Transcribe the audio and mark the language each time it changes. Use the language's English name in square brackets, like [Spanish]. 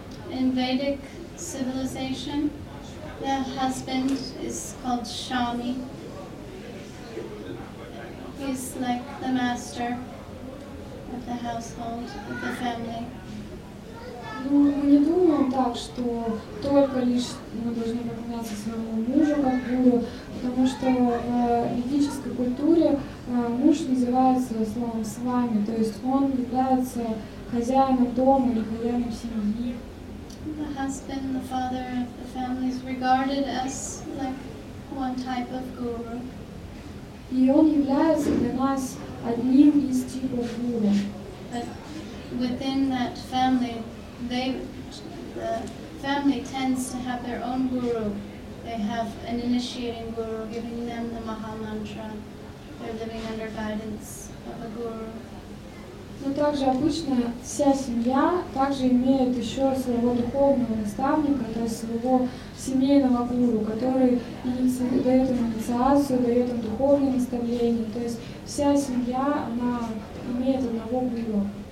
[English] In Vedic civilization, the husband is called Shami. He's like the master of the household, of the family. [Russian] Ну, мы не думаем так, что только лишь мы должны поклоняться своему мужу как гуру, потому что в ведической культуре муж называется словом с вами, то есть он является хозяином дома или хозяином семьи. [English] The husband, the father of the family is regarded as like one type of guru. [Russian] И он является для нас одним из типов гуру. [English] But within that family, the family tends to have their own guru. They have an initiating guru giving them the Maha Mantra. They're living under guidance of a guru. [Russian] Но также обычно вся семья также имеет еще своего духовного наставника, то есть своего семейного гуру, который дает им инициацию, дает им духовные наставления. То есть вся семья, она имеет одного гуру.